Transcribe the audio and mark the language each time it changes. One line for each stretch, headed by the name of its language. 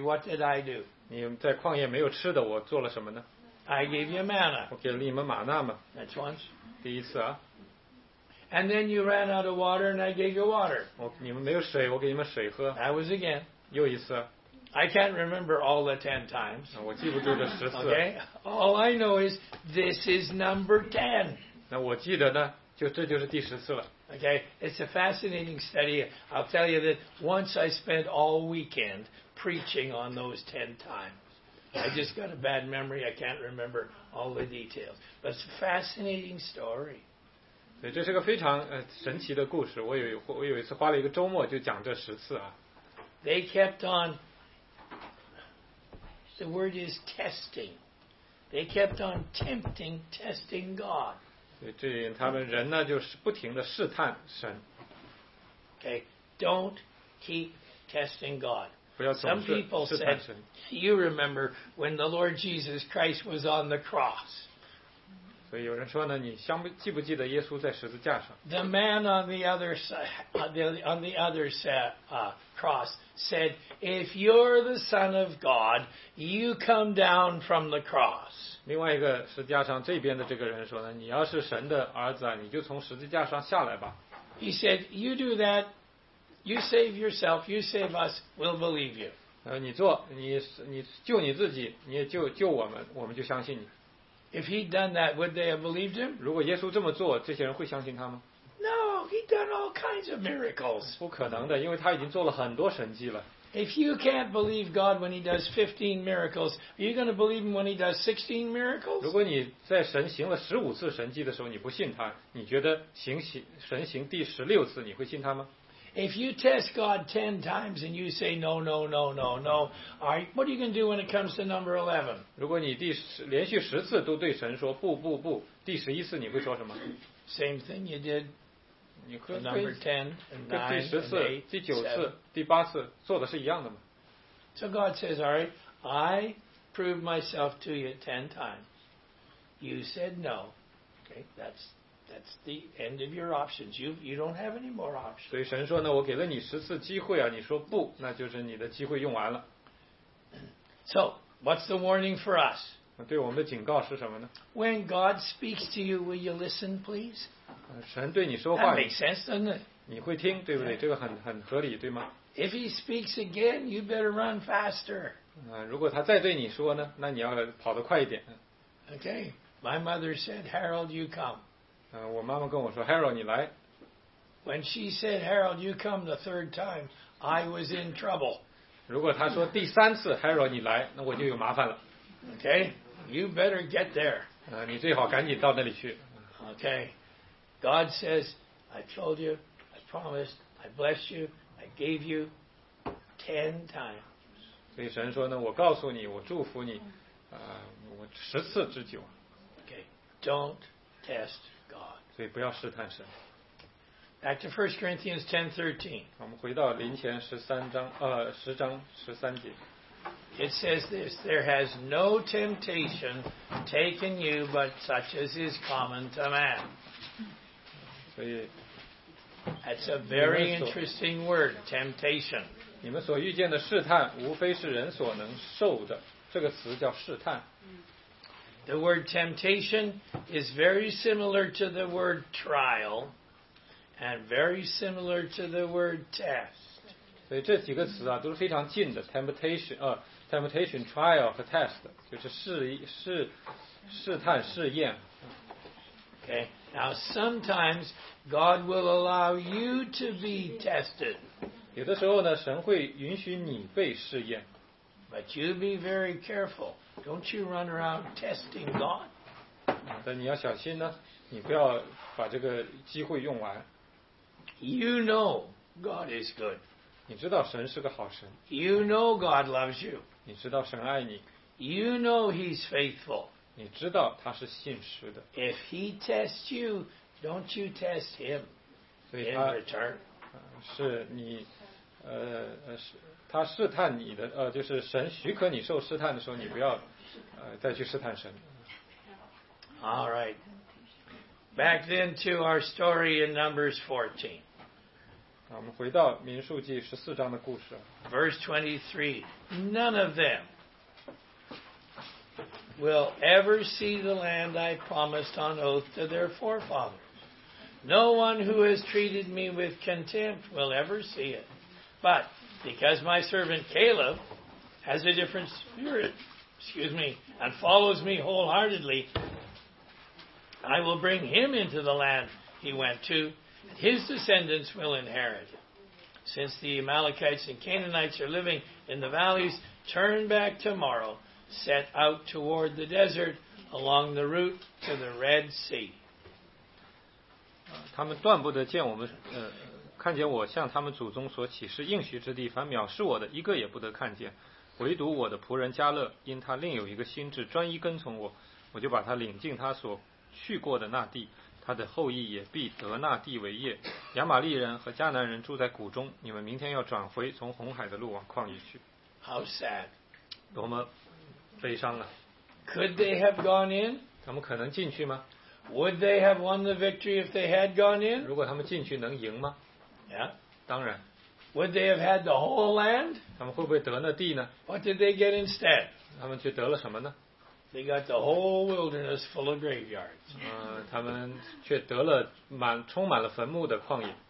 English: What did I do?
Chinese: 你在旷野没有吃的我做了什么呢
English: I gave you manna.
Chinese: 我给了你们玛纳嘛。
English: That's once.
Chinese: 第一次啊。
English: And then you ran out of water and I gave you water.
Chinese: 你们没有水我给你们水喝。
English: That was again.
Chinese: 又一次。
English: I can't remember all the 10 times.
Chinese: 我记不住这十次。
English: Okay? All I know is this is number 10.
Chinese: 那我记得呢就这就是第十次了。
English: Okay? It's a fascinating study. I'll tell you that once I spent all weekend preaching on those 10 times. I just got a bad memory. I can't remember all the details. But it's a fascinating story.
Chinese: 对，这是个非常神奇的故事。我有一次花了一个周末就讲这十次啊。
English: They kept on. The word is testing. They kept on testing God.
Chinese: 对，这他们人呢就是不停的试探神。
English: Okay, don't keep testing God. Some people said, you remember when the Lord Jesus Christ was on the cross.
Chinese: 所以有人说呢，你相不记不记得耶稣在十字架上
English: ？The man on the other side, on the other side, cross said, "If you're the Son of God, you come down from the cross."
Chinese: 另外一个十字架上这边的这个人说呢，你要是神的儿子啊，你就从十字架上下来吧。
English: He said, "You do that." You save yourself, you save us, we'll believe you.
Chinese: 你做，你救你自己，你也救我们，我们就相信你。
English: If he'd done that, would they have believed him?
Chinese: 如果耶稣这么做，这些人会相信他吗
English: ？No, he'd done all kinds of miracles.
Chinese: 不可能的，因为他已经做了很多神迹了。
English: If you can't believe God when He does 15 miracles, are you going to believe Him when He does 16 miracles?
Chinese: 如果你在神行了十五次神迹的时候你不信他，你觉得神行第十六次你会信他吗？
English: If you test God 10 times and you say no, no, no, no, no, all right, what are you going to do when it comes to number 11?
Chinese: 如果你连续十次都对神说不不不，第十一次你会说什么
English: ？Same thing you did. Number 10 and 9 and 8.
Chinese: 第九次、第八次做的是一样的吗
English: ？So God says, all right, I proved myself to you 10 times. You said no. Okay, That's the end of your options. You don't have any more options.
Chinese: 所以神说呢，我给了你十次机会啊，你说不，那就是你的机会用完了。
English: So, what's the warning for us?
Chinese: 对我们的警告是什么呢
English: ？When God speaks to you, will you listen, please?
Chinese: 神对你说话。
English: That makes sense, doesn't it?
Chinese: 你会听，对不对？这个很合理，对吗
English: ？If He speaks again, you better run faster.
Chinese: 如果他再对你说呢，那你要跑得快一点。
English: Okay, my mother said, Harold, you come.
Chinese: 我妈妈跟我说 ，Harold， 你来。
English: When she said, "Harold, you come the third time," I was in trouble.
Chinese: 如果她说第三次 ，Harold， 你来，那我就有麻烦了。
English: Okay, you better get there.
Chinese: 你最好赶紧到那里去。
English: Okay, God says, "I told you, I promised, I blessed you, I gave you 10 times."
Chinese: 所以神说呢，我告诉你，我祝福你，我十次之久。
English: Okay, don't test.
Chinese: 所以不要试探神。
English: Back to 1 Corinthians 10:13.
Chinese: 我们回到林前十三章，十章十三节。
English: It says this: There has no temptation taken you but such as is common to man.
Chinese: 所以
English: ，That's a very interesting word, temptation.
Chinese: 你们所遇见的试探，无非是人所能受的。这个词叫试探。
English: The word temptation is very similar to the word trial, and very similar to the word test.
Chinese: 所以这几个词啊都是非常近的 ，temptation， temptation, trial 和 test， 就是试探、试验。
English: Okay. Now sometimes God will allow you to be tested.
Chinese: 有的时候呢，神会允许你被试验。
English: But you be very careful. Don't you run around testing God.
Chinese: 但你要小心呢，你不要把这个机会用完。
English: You know God is good.
Chinese: 你知道神是个好神。
English: You know God loves you.
Chinese: 你知道神爱你。
English: You know He's faithful.
Chinese: 你知道他是信实的。
English: If he tests you, don't you test him in return.
Chinese: 是你他试探你的就是神许可你受试探的时候，你不要再去试探神。
English: All right. Back then to our story in Numbers 14.
Chinese: 我们回到民数记十四章的故事。
English: Verse 23, none of them will ever see the land I promised on oath to their forefathers. No one who has treated me with contempt will ever see it. But because my servant Caleb has a different spirit, and follows me wholeheartedly, I will bring him into the land he went to. His descendants will inherit. Since the Amalekites and Canaanites are living in the valleys, turn back tomorrow, set out toward the desert, along the route to the Red Sea.
Chinese: 他们断不得见我们，看见我向他们祖宗所起誓应许之地，凡藐视我的，一个也不得看见。唯独我的仆人加勒，因他另有一个心志，专一跟从我，我就把他领进他所去过的那地。他的后裔也必得那地为业。亚玛利人和迦南人住在谷中，你们明天要转回从红海的路往旷野去。
English: How sad.
Chinese: 多么悲伤啊。
English: Could they have gone in?
Chinese: 他们可能进去吗？
English: Would they have won the victory if they had gone in?
Chinese: 如果他们进去能赢吗？
English: Yeah.
Chinese: 当然。
English: Would they have had the whole land?
Chinese: 他们会不会得那地呢？
English: What did they get instead?
Chinese: 他们却得了什么呢？
English: They got the whole wilderness full of graveyards.
Chinese: 他们却得了充满了坟墓的旷野。